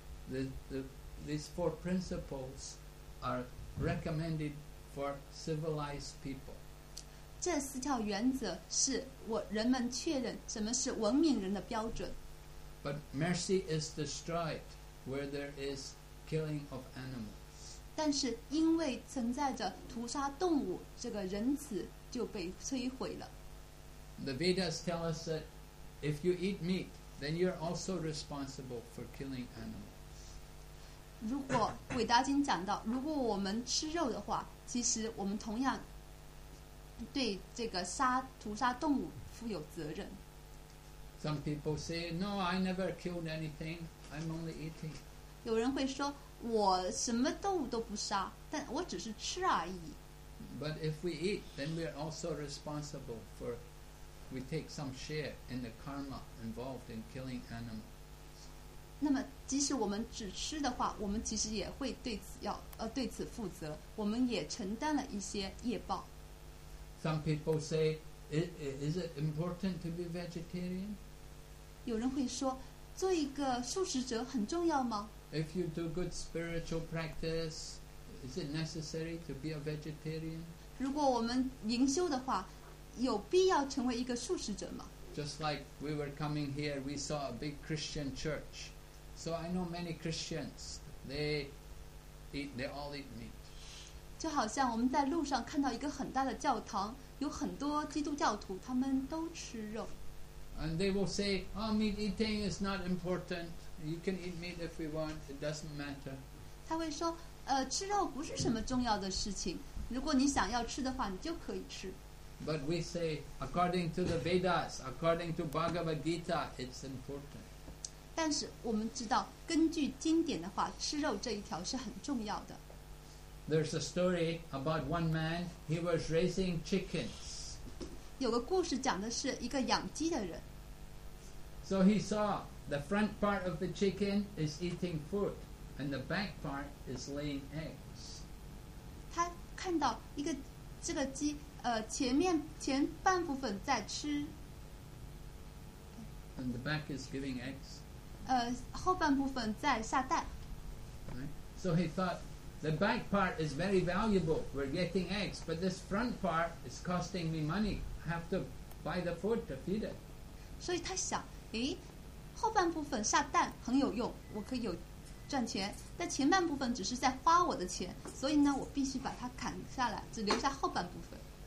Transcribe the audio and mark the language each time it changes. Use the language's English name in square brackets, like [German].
[English] these four principles are recommended for civilized people [Chinese] 这四条原则是人们确认什么是文明人的标准 [English] but mercy is destroyed where there is killing of animals [Chinese] 但是因为存在着屠杀动物这个仁慈就被摧毁了 [English] the Vedas tell us thatIf you eat meat, then you're also responsible for killing animals. [Chinese] 如果韦达经讲到，如果我们吃肉的话，其实我们同样对这个屠杀动物负有责任。 [English] Some people say, "No, I never killed anything. I'm only eating." [Chinese] 有人会说，我什么动物都不杀，但我只是吃而已。 [English] But if we eat, then we're also responsible for. We take some share in the karma involved in killing animals. [Chinese] 那么，即使我们只吃的话，我们其实也会对此负责。我们也承担了一些业报。 [English] Some people say, "Is it important to be vegetarian?" [Chinese] 有人会说，做一个素食者很重要吗 [English] ？If you do good spiritual practice, is it necessary to be a vegetarian? [Chinese] 如果我们灵修的话。有必要成为一个素食者吗 [English] Just like we were coming here, we saw a big Christian church. So I know many Christians, they all eat meat. [Chinese] 就好像我们在路上看到一个很大的教堂，有很多基督教徒，他们都吃肉。 [English] And they will say, "Oh, meat eating is not important. You can eat meat if we want. It doesn't matter." [Chinese] 他会说，吃肉不是什么重要的事情。如果你想要吃的话，你就可以吃。 [English] But we say, according to the Vedas, according to Bhagavad Gita, it's important. [Chinese] 但是我们知道，根据经典的话，吃肉这一条是很重要的。 [English] There's a story about one man. He was raising chickens. [Chinese] 有个故事讲的是一个养鸡的人。 [English] So he saw the front part of the chicken is eating food, and the back part is laying eggs. [Chinese] 他看到这个鸡。前半部分在吃 [English] and the back is giving eggs [Chinese] 后半部分在下蛋 [English] so he thought The back part is very valuable. We're getting eggs. But this front part is costing me money. I have to buy the food to feed it. [Chinese] 所以他想，诶，后半部分下蛋很有用，我可以有赚钱，但前半部分只是在花我的钱，所以呢，我必须把它砍下来，只留下后半部分。